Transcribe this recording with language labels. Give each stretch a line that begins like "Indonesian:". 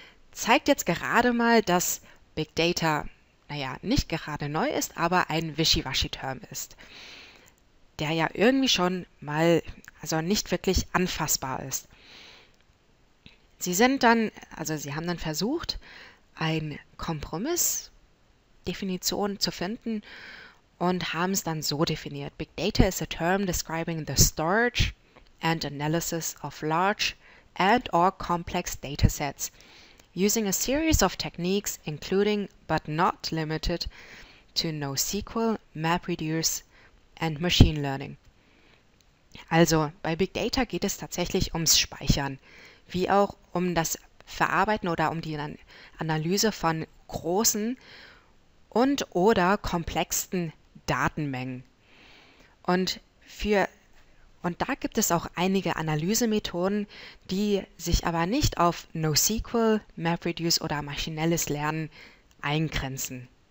German: Zeigt jetzt gerade mal, dass Big Data, naja, nicht gerade neu ist, aber ein Wischiwaschi-Term ist, der ja irgendwie schon mal, also nicht wirklich anfassbar ist. Sie haben dann versucht, eine Kompromissdefinition zu finden und haben es dann so definiert.
English: Big Data is a term describing the storage and analysis of large and/or complex datasets using a series of techniques, including but not limited to NoSQL, MapReduce and Machine Learning.
German: Also bei Big Data geht es tatsächlich ums Speichern, wie auch um das Verarbeiten oder um die Analyse von großen und/oder komplexen Datenmengen. Und da gibt es auch einige Analysemethoden, die sich aber nicht auf NoSQL, MapReduce oder maschinelles Lernen eingrenzen.